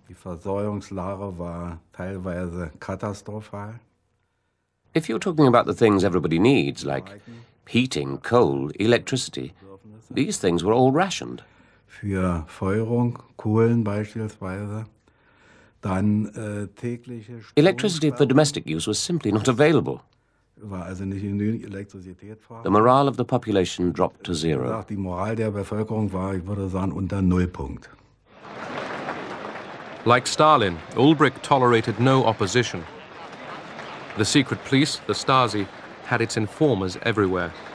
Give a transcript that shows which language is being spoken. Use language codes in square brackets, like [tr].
[en] If you're talking about the things everybody needs, like heating, coal, electricity, these things were all rationed. [de] Für Feuerung, Kohlen beispielsweise, dann tägliche Strom. [en] Electricity for domestic use was simply not available. [de] War also nicht genügend Elektrizität vorhanden. [en] The morale of the population dropped to zero. [de] Die Moral der Bevölkerung war, ich würde sagen, unter Nullpunkt. [en] Like Stalin, Ulbricht tolerated no opposition. The secret police, the Stasi, had its informers everywhere.